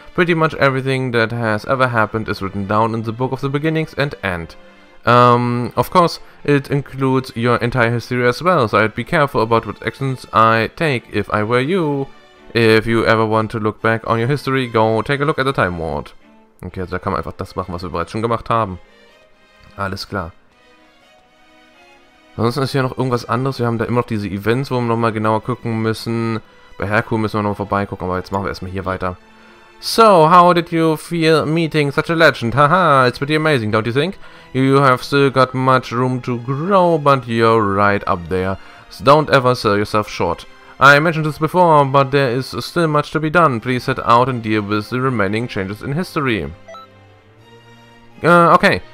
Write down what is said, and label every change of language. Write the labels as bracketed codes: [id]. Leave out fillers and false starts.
[en] Pretty much everything that has ever happened is written down in the Book of the Beginnings and End. Of course, it includes your entire history as well, so I'd be careful about what actions I take if I were you. If you ever want to look back on your history, go take a look at the Time Vault. [de] Okay, also da kann man einfach das machen, was wir bereits schon gemacht haben. Alles klar. Ansonsten ist hier noch irgendwas anderes. Wir haben da immer noch diese Events, wo wir nochmal genauer gucken müssen. Bei Herkul müssen wir nochmal vorbeigucken, aber jetzt machen wir erstmal hier weiter. [en] So, how did you feel meeting such a legend? Haha, it's pretty amazing, don't you think? You have still got much room to grow, but you're right up there. So don't ever sell yourself short. I mentioned this before, but there is still much to be done. Please head out and deal with the remaining changes in history. Okay.